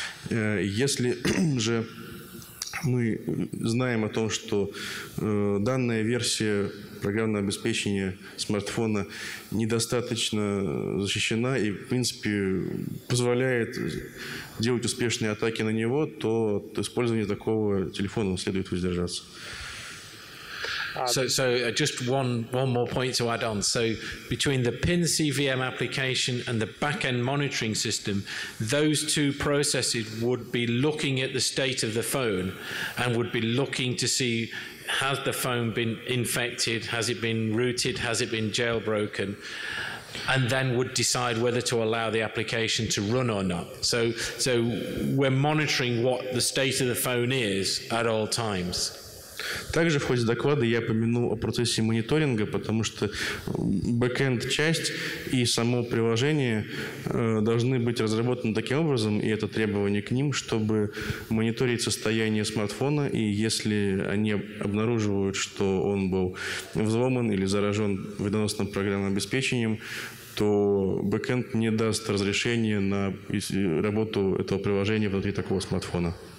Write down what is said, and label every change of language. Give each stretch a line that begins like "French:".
Russian: Если же мы знаем о том, что данная версия программного обеспечения смартфона недостаточно защищена и, в принципе, позволяет делать успешные атаки на него, то от использования такого телефона следует воздержаться.
English: So just one more point to add on. So between the PIN CVM application and the back-end monitoring system, those two processes would be looking at the state of the phone and would be looking to see, has the phone been infected, has it been rooted, has it been jailbroken, and then would decide whether to allow the application to run or not. So we're monitoring what the state of the phone is at all times.
Russian: Также в ходе доклада я упомянул о процессе мониторинга, потому что бэкенд часть и само приложение должны быть разработаны таким образом, и это требование к ним, чтобы мониторить состояние смартфона, и если они обнаруживают, что он был взломан или заражен вредоносным программным обеспечением, то бэкенд не даст разрешения на работу этого приложения внутри такого смартфона.